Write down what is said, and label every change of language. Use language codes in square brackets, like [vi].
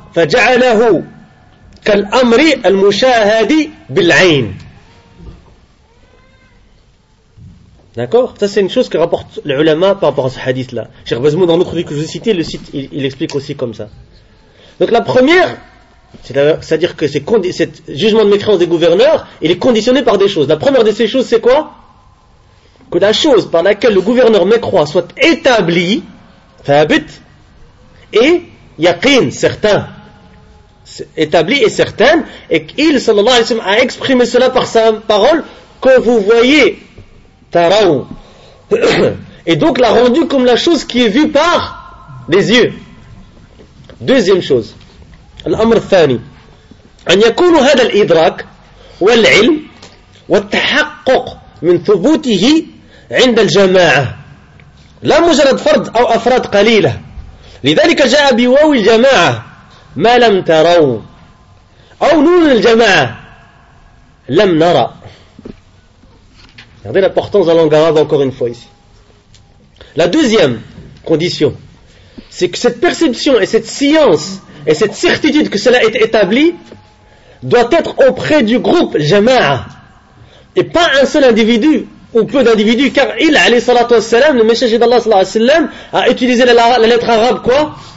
[ar] فجعله كالأمر المشاهد بالعين. [fr] D'accord? Ça, c'est une chose que rapporte l'ulama par rapport à ce hadith-là. Cheikh Bazmou, dans l'autre livre que je vous ai cité, le site, il explique aussi comme ça. Donc la première, c'est-à-dire que cet jugement de mécréance des gouverneurs, il est conditionné par des choses. La première de ces choses, c'est quoi? Que la chose par laquelle le gouverneur mécroit soit établie, fabit, et yaqin, certain, établi et certain, et qu'il, sallallahu alayhi wa sallam, a exprimé cela par sa parole, que vous voyez, taraou. Et donc l'a rendu comme la chose qui est vue par les yeux. Deuxième chose, [ar] l'amr thani, an yakounu hada l'idrak, wal ilm, wal tahakkuk, min thubutihi, عند al-jama'a. La mujarad fard ou afrad qalila. لذلك جاء بواو الجماعة ما لم تروا أو نون الجماعة لم نرى. [fr] Regardez l'importance de la langue arabe encore une fois ici. La deuxième condition, c'est que cette perception et cette science et cette certitude que cela est établi doit être auprès du groupe jama'a et pas un seul individu ou peu d'individus, car il, alayhi salatu wassalam, le messager d'Allah, sallallahu alayhi wasallam, a utilisé la lettre arabe, quoi?